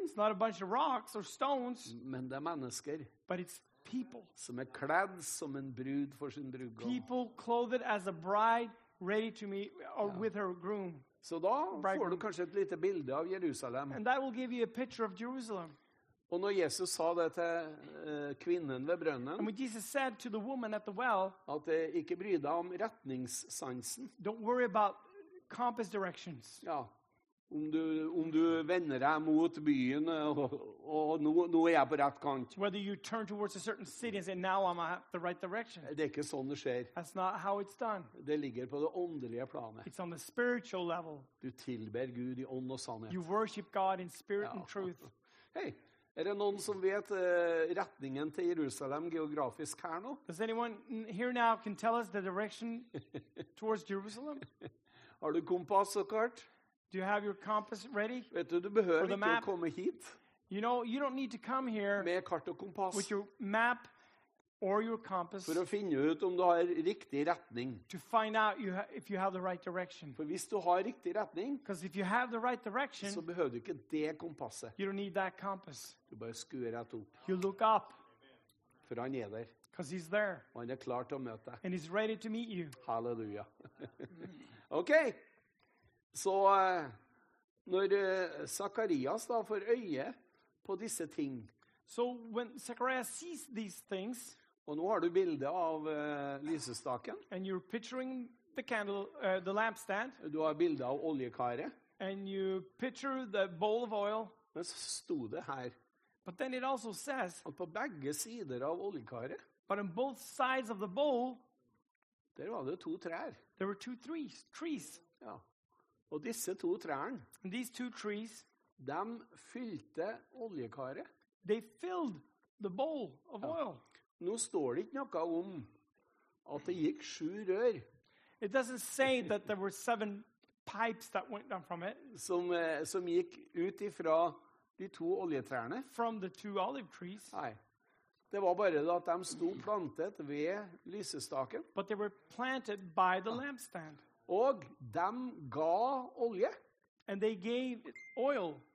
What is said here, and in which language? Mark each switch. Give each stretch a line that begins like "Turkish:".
English: It's not a bunch of rocks or stones.
Norwegian: Men det er mennesker.
English: But it's people.
Norwegian: Som er kledd som en brud for sin brudgom.
English: People clothed as a bride ready to meet or with her groom.
Norwegian: Så da får du kanskje et lite bilde av Jerusalem.
English: And that will give you a picture of Jerusalem.
Norwegian: Og når Jesus sa det til kvinnen ved brønnen,
English: and when Jesus said to the woman at the well,
Norwegian: at det ikke bryr deg om retningssansen.
English: Don't worry about compass directions.
Norwegian: Ja, om du vender deg mot byen og nå er jeg på rett kant.
English: Whether you turn towards a certain city and say, now I'm at the right direction.
Norwegian: Det er ikke sånn det skjer.
English: That's not how it's done.
Norwegian: Det ligger på det åndelige planet.
English: It's on the spiritual level.
Norwegian: Du tilber Gud i ånd og sannhet.
English: You worship God in spirit and truth. Hey.
Norwegian: Er det noen som vet retningen til Jerusalem geografisk her nå?
English: Does anyone here now can tell us the direction towards Jerusalem?
Norwegian: Har du kompass og kart?
English: Do you have your compass ready?
Norwegian: Vet du behøver ikke å komme hit.
English: You know, you don't need to come here
Norwegian: med kart og kompass.
English: With your map or your compass.
Norwegian: For å finne ut om du har riktig retning.
English: To find out if you have the right direction.
Norwegian: For hvis du har riktig retning,
English: because if you have the right direction,
Norwegian: så behøver du ikke det kompasset.
English: You don't need that compass.
Norwegian: Du bare skuer rett opp.
English: You look up.
Norwegian: For han er der.
English: Because he's there.
Norwegian: Og han er klar til å møte deg.
English: And he's ready to meet you. Halleluja. Okay.
Norwegian: Så når Zakarias da får øye på disse ting.
English: So when Zacharias sees these things,
Norwegian: og nå har du bildet av lysestaken.
English: And you're picturing the candle, the lampstand.
Norwegian: Du har bildet av oljekaret.
English: And you picture the bowl of oil.
Norwegian: Men så sto det her.
English: But then it also says,
Norwegian: at på begge sider av oljekaret,
English: but on both sides of the bowl,
Norwegian: der var det to trær.
English: There were two trees.
Norwegian: Ja. Og disse to trærne,
English: and these two trees,
Norwegian: de fylte oljekaret.
English: They filled the bowl of oil.
Norwegian: Nå står det ikke noe om at det gikk sju rør.
English: It doesn't say that there were seven pipes that went down from it.
Norwegian: Som gikk ut ifra de to oljetrærne.
English: From the two olive trees.
Norwegian: Nei. Det var bare at de sto plantet ved lysestaken.
English: But they were planted by the lampstand.
Norwegian: Og de ga olje.
English: And they gave oil.